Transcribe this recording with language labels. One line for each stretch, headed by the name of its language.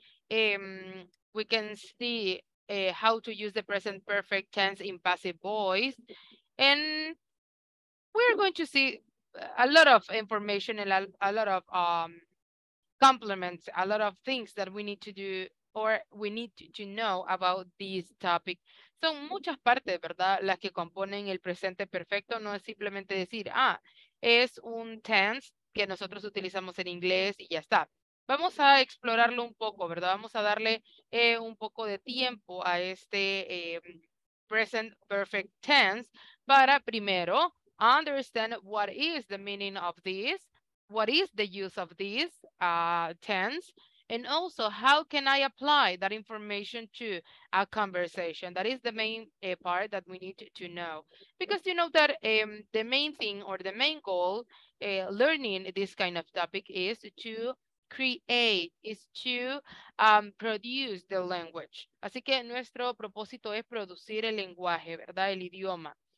English: We can see how to use the present perfect tense in passive voice. And we're going to see a lot of information and a lot of compliments, a lot of things that we need to do or we need to know about this topic.
Spanish: Son muchas partes, ¿verdad? Las que componen el presente perfecto. No es simplemente decir, ah, es un tense que nosotros utilizamos en inglés y ya está. Vamos a explorarlo un poco, ¿verdad? Vamos a darle un poco de tiempo a este present perfect tense para primero
English: understand what is the meaning of this, what is the use of this tense, and also how can I apply that information to a conversation. That is the main part that we need to know. Because you know that the main thing or the main goal learning this kind of topic is to create, is to produce the language.
Spanish: Así que nuestro propósito es producir el lenguaje, ¿verdad? El idioma.